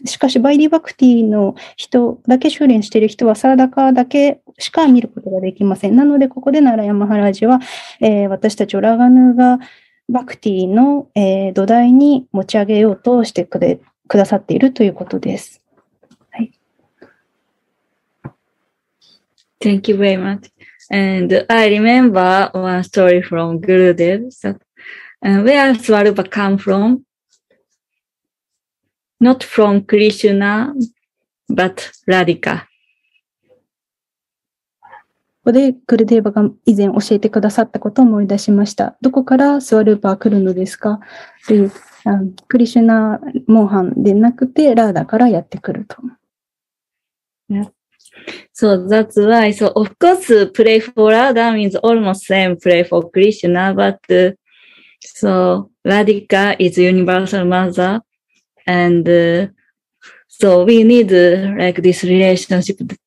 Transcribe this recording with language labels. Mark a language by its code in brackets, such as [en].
[ja] しかし、バイリバクティの人だけ修練している人は、サーダカだけしか見ることができません。なので、ここでナラヤマハラジは、私たちをラガヌーガバクティの、土台に持ち上げようとしてくださっているということです。はい。 [en] Thank you very much.And I remember one story from Gurudev. Where Swarupa come from? Not from Krishna, but Radhika. [ja] ここでクルデーバが以前教えてくださったことを思い出しました。どこからスワルーパー来るのですか？という、クリシュナモーハンでなくてラーダからやってくると。 [en] So that's why, so of course, pray for Radha means almost same pray for Krishna, butSo, Radhika is universal mother, and、so we need、like this relationship.